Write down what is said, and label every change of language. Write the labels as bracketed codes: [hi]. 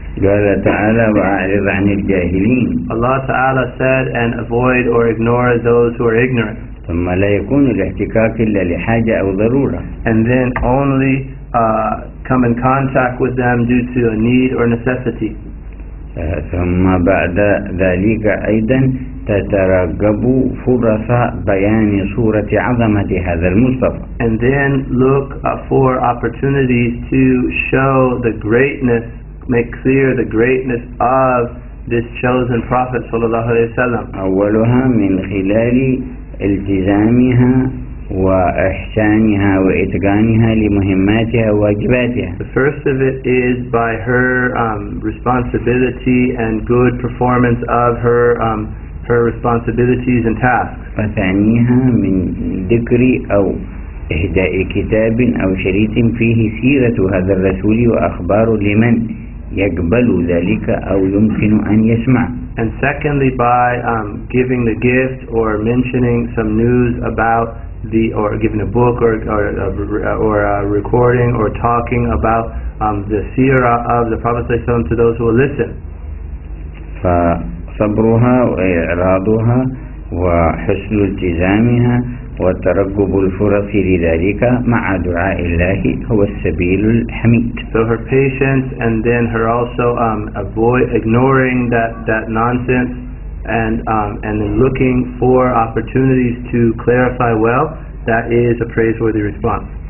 [ar] قال تعالى وأعرض عن الجاهلين. [en] Allah Ta'ala said and avoid or ignore those who are ignorant. [ar] ثم لا يكون الاحتكاك إلا لحاجة أو ضرورة. [en] And then only come in contact with them due to a need or necessity. [ar] ثم بعد ذلك أيضا تترقبوا فرص بيان صورة عظمة هذا المصطفى. [en] And then look for opportunities to show the greatness, make clear the greatness of this chosen prophet [ar] صلى الله عليه وسلم. أولها من خلال التزامها وإحسانها وإتقانها لمهماتها وواجباتها. [en] The first of it is by her responsibility and good performance of her her responsibilities and tasks. [ar] فثانيها من ذكر أو إهداء كتاب أو شريط فيه سيرة هذا الرسول وأخباره لمن يقبل ذلك أو يمكن أن يسمع. [en] And secondly, by giving the gift or mentioning some news about the, or giving a book or a recording or talking about the seerah of the Prophet ﷺ to those who will listen. [ar] فصبرها وإعراضها وحسن التزامها وترقب الفرص لذلك مع دعاء الله هو السبيل الحميد. [en] So her patience and then her also avoid ignoring that nonsense and then looking for opportunities to clarify well, that is a praiseworthy response.